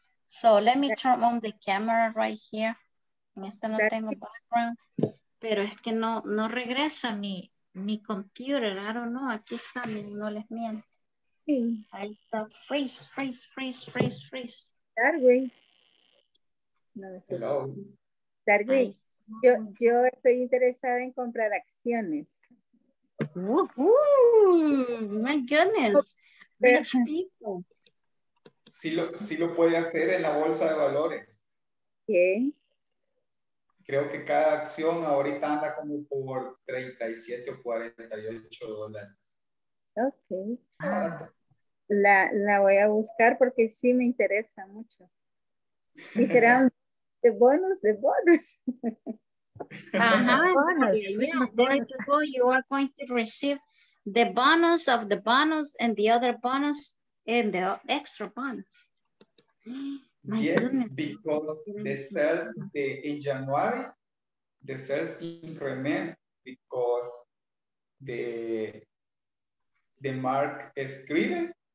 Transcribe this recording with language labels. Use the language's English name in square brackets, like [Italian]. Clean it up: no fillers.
[English] So let me turn on the camera right here. [Spanish] En este no tengo background, pero es que no regresa mi computer. [English] I don't know. [Spanish] Aquí está, no les miento. Sí. Ahí está. [English] Freeze. Darwin. Hello. [Spanish] Darwin, yo estoy interesada en comprar acciones. [English] My goodness. Rich people. [Spanish] Sí lo puede hacer en la bolsa de valores. ¿Qué? Creo que cada acción ahorita anda como por 37 o 48 dólares. [English] Ok. [Spanish] La voy a buscar porque sí me interesa mucho. Y será un [English] The bonus. You are going to receive the bonus of the bonus and the other bonus and the extra bonus. Yes, because the sales in January, the sales increment because the mark escribe.